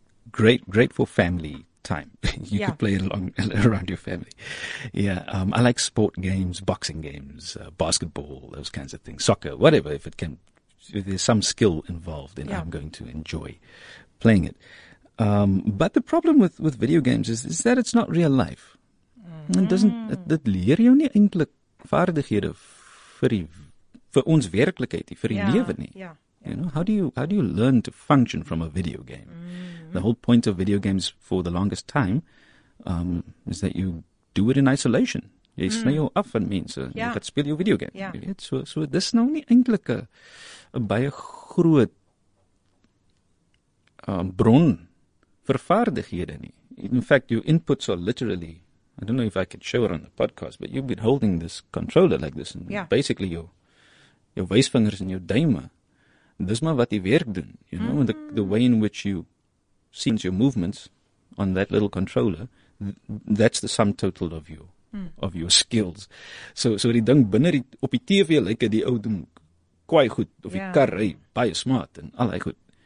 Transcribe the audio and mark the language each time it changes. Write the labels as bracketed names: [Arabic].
[English] Great for family time. You could play around your family. I like sport games, boxing games, basketball, those kinds of things. Soccer, whatever. If there's some skill involved, then I'm going to enjoy playing it. But the problem with video games is that it's not real life. [Afrikaans] And dit leer jou nie eintlik vaardighede vir ons werklikheid, vir die lewe nie. [English] Yeah. You know, how do you learn to function from a video game? Mm-hmm. The whole point of video games for the longest time is that you do it in isolation. [Afrikaans] Jy sny jou af van mense. Jy kan speel jou video game. [English] Yeah. [Afrikaans] So dis nou nie eintlik 'n baie groot bron vir vaardighede nie. [English] In fact, your inputs are literally I don't know if I could show it on the podcast, but you've been holding this controller like this. And yeah. Basically, your [Afrikaans] wysvingers and your duime. Dis maar wat die werk doen, you know, mm-hmm. [English] the way in which you sense your movements on that little controller, that's the sum total of you, of your skills. [Afrikaans] So die ding binne die, op die TV lyk dit die ou doen kwaai goed, of die kar ry baie smart en al hy goed.